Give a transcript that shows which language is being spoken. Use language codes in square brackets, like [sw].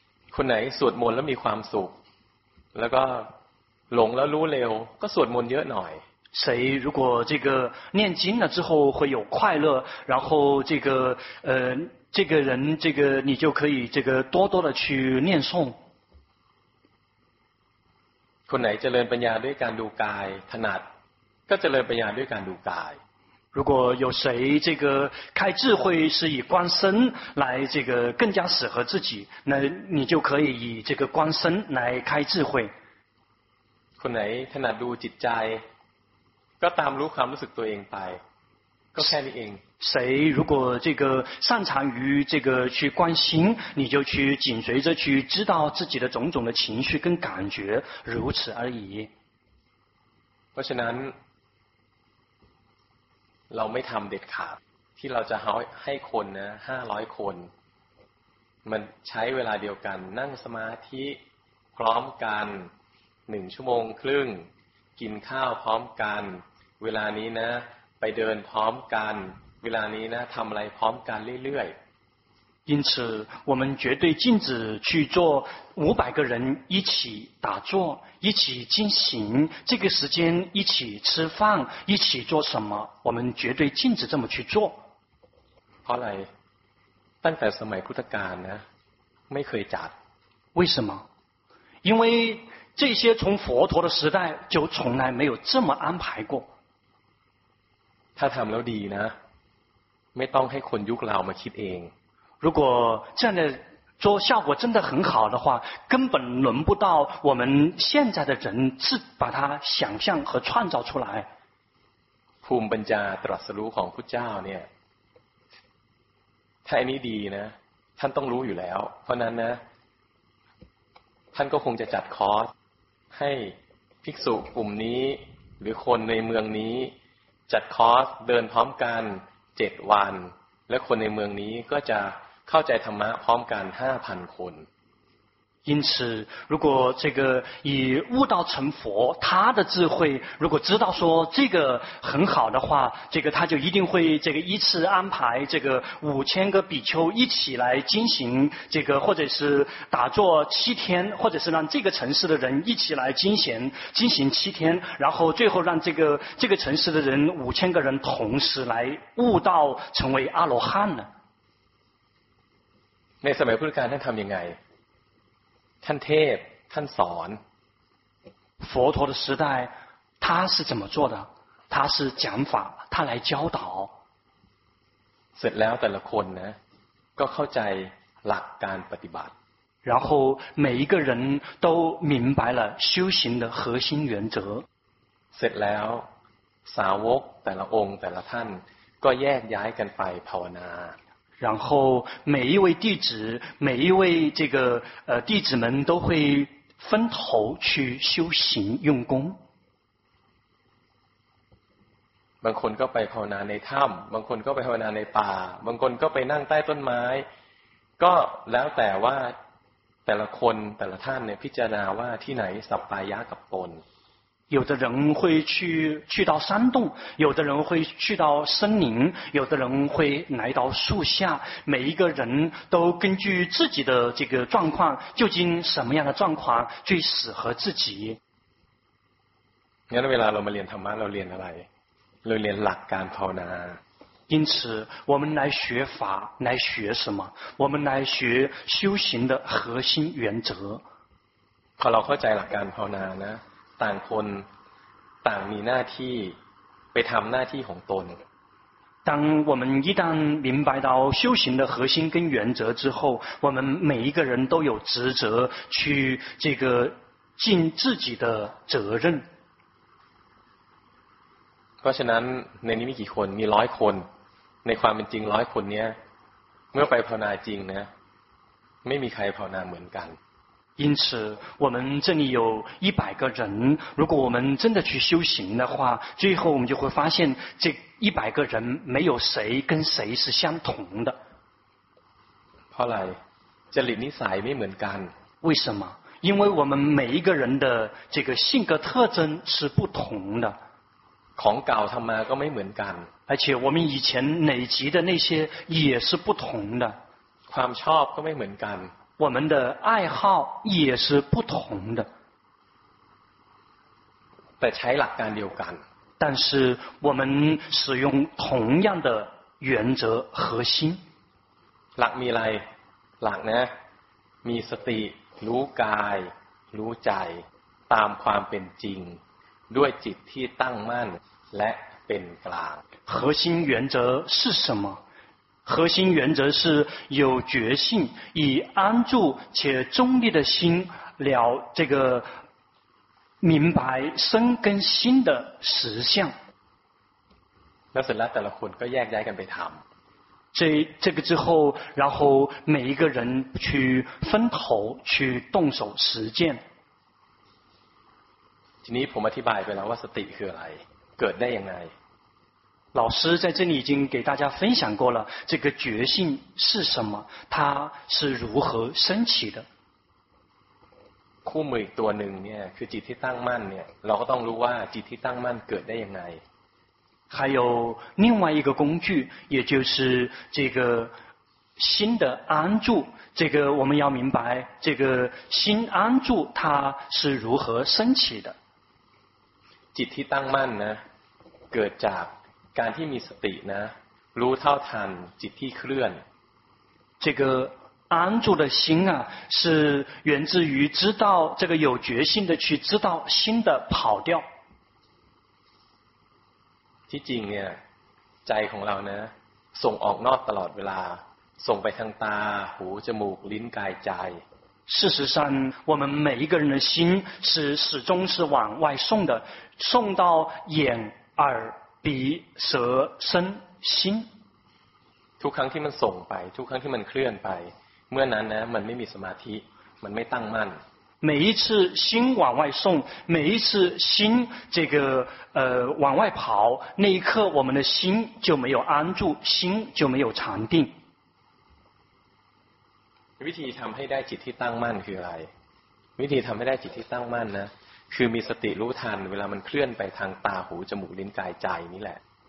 [th] คนไหนสวดมนต์แล้วมีความสุขแล้วก็หลงแล้วรู้เร็วก็สวดมนต์เยอะหน่อย [zh] 谁如果这个念经了之后会有快乐然后这个这个人这个你就可以这个多多的去念诵 [th] คนไหนเจริญปัญญาด้วยการดูกายถนัดก็เจริญปัญญาด้วยการดูกาย [zh] 如果有谁这个开智慧是以观身来这个更加适合自己那你就可以以这个观身来开智慧 [th] คนไหนถนัดดูจิตใจก็ตามรู้ความรู้สึกตัวเองไปก็แค่นี้เอง [zh] 谁如果这个擅长于这个去关心你就去紧随着去知道自己的种种的情绪跟感觉如此而已 [th] เพราะฉะนั้นเราไม่ทำเด็ดขาดที่เราจะให้คนนะ500คนมันใช้เวลาเดียวกันนั่งสมาธิพร้อมกัน1ชั่วโมงครึ่งกินข้าวพร้อมกันเวลานี้นะไปเดินพร้อมกันเวลานี้นะทำอะไรพร้อมกันเรื่อย [zh] ๆ因此我们绝对禁止去做500个人一起打坐一起进行这个时间一起吃饭一起做什么我们绝对禁止这么去做 [th] เพราะอะไรตั้งแต่สมัยพุทธกาลนะไม่เคยจัด [zh] 为什么因为这些从佛陀的时代就从来没有这么安排过 [th] 他ทำแล้วดีนะไม่ต้องให้คนยุคเรามาคิดเอง [zh] 如果这样的做效果真的很好的话根本轮不到我们现在的人自把它想象和创造出来 [th] ภูมิปัญญาตรัสรู้ของพุทธเจ้าเนี่ยถ้าอันนี้ดีนะท่านต้องรู้อยู่แล้วเพราะนั้นนะท่านก็คงจะจัดคอร์สให้ภิกษุกลุ่มนี้หรือคนในเมืองนี้จัดคอร์สเดินพร้อมกัน7วันและคนในเมืองนี้ก็จะเข้าใจธรรมะพร้อมกัน 5,000 คน [zh] 因此如果这个以悟道成佛他的智慧如果知道说这个很好的话这个他就一定会这个依次安排这个5000个比丘一起来进行这个或者是打坐7天或者是让这个城市的人一起来进行7天然后最后让这个城市的人5000个人同时来悟道成为阿罗汉呢 [th] 那สมัยพุทธกาลท่านทำยังไงท่านเทพท่านสอน [zh] 佛陀的时代他是怎么做的他是讲法他来教导 [th] เสร็จแล้วแต่ละคนนะก็เข้าใจหลักการปฏิบัติ [zh] 然后每一个人都明白了修行的核心原则 [th] เสร็จแล้วสาวกแต่ละองค์แต่ละท่านก็แยกย้ายกันไปภาวนา [zh] 然后每一位弟子每一位这个弟子们都会分头去修行用功 [th] บางคนก็ไปภาวนาในถ้ำบางคนก็ไปภาวนาในป่าบางคนก็ไปนั่งใต้ต้นไม้ก็แล้วแต่ว่าแต่ละคนแต่ละท่านเนี่ยพิจารณาว่าที่ไหนสัปปายะกับตน [zh] 有的人会去到山洞有的人会去到森林有的人会来到树下每一个人都根据自己的这个状况究竟什么样的状况最适合自己 [th] 那เวลาเรามาเรียนธรรมะเราเรียนอะไรเราเรียนหลักการภาวนา [zh] 因此我们来学法来学什么我们来学修行的核心原则 [th] พอเราเข้าใจหลักการภาวนานะต่างคนต่างมีหน้าที่ไปทำหน้าที่ของตน [zh] 当我们一旦明白到修行的核心跟原则之后我们每一个人都有职责去这个尽自己的责任 [th] เพราะฉะนั้นในนี้มีกี่คนมี100คนในความเป็นจริง100คนเนี้ยเมื่อไปภาวนาจริงนะไม่มีใครภาวนาเหมือนกัน [zh] 因此我们这里有一百个人，如果我们真的去修行的话，最后我们就会发现这一百个人没有谁跟谁是相同的。后来这里你才没门干，为什么？因为我们每一个人的这个性格特征是不同的，恐高他们都没门干，而且我们以前累积的那些也是不同的， [th] ความชอบก็ไม่เหมือนกัน， [zh] 我们的爱好也是不同的， [th] แต่ใช้หลักการเดียวกัน， [zh] 但是我们使用同样的原则核心， [th] หลักมีอะไร，หลักนะ，มีสติรู้กายรู้ใจตามความเป็นจริงด้วยจิตที่ตั้งมั่นและเป็นกลาง。 [zh] 核心原则是什么？核心原则是有觉性，以安住且中立的心了这个明白身跟心的实相。 [th] 那是那แต่ละคนก็แยกย้ายกันไปทำ。 [zh] 这个之后，然后每一个人去分头去动手实践。 [th] ทีนี้ผมอธิบายไปแล้วว่าสติคืออะไรเกิดได้ยังไง。 [zh] 老师在这里已经给大家分享过了，这个觉性是什么，它是如何升起的。 [th] คู่มืออีกตัวหนึ่งเนี่ยคือจิตที่ตั้งมั่นเนี่ยเราก็ต้องรู้ว่าจิตที่ตั้งมั่นเกิดได้ยังไง。 [zh] 还有另外一个工具，也就是这个心的安住，这个我们要明白这个心安住它是如何升起的。 [th] จิตที่ตั้งมั่นนะเกิดจากการที่มีสตินะรู้เท่าทันจิตที่เคลื่อน。 [zh] 这个安住的心啊，是源自于知道这个有决心的去知道心的跑掉。 [th] ที่จริงเนี่ยใจของเรานะส่งออกนอกตลอดเวลาส่งไปทางตาหูจมูกลิ้นกายใจ。 [zh] 事实上我们每一个人的心是始终是往外送的，送到眼耳鼻舌身心。 [th] ทุกครั้งที่มันส่งไปทุกครั้งที่มันเคลื่อนไปเมื่อนั้นนะมันไม่มีสมาธิมันไม่ตั้งมั่น。 [zh] 每一次心往外送，每一次心这个往外跑，那一刻我们的心就没有安住，心就没有禅定。 [th] วิธีทำให้ได้จิตที่ตั้งมั่นคืออะไร？วิธีทำให้ได้จิตที่ตั้งมั่นนะคือมีสติรู้ทันเวลามันเคลื่อนไปทางตาหูจมูกลิ้นกายใจนี่แหละ。